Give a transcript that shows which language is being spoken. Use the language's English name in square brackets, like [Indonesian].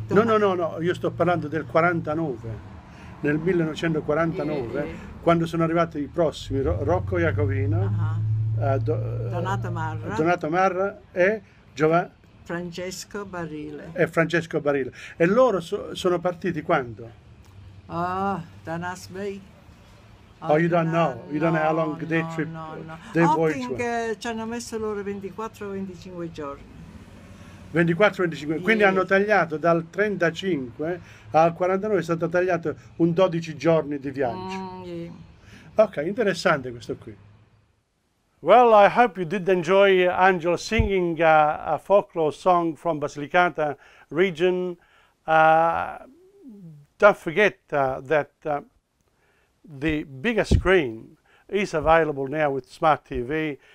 [Italian] no, io sto parlando del 49, nel 1949, quando sono arrivati i prossimi, Rocco Iacovino, Donato Marra e Giovanni... Francesco Barile. E Francesco Barile. E loro sono partiti quando? Ah, Danas Bay. [English] You don't know how long the trip. I think [Italian] ci hanno messo loro 24 o 25 giorni. 24 o 25, quindi hanno tagliato dal 35 al 49, è stato tagliato un 12 giorni di viaggio. [English] Yeah. [Italian] Ok, interessante questo qui. [English] Well, I hope you did enjoy Angel singing a folklore song from Basilicata region. Don't forget that the bigger screen is available now with Smart TV.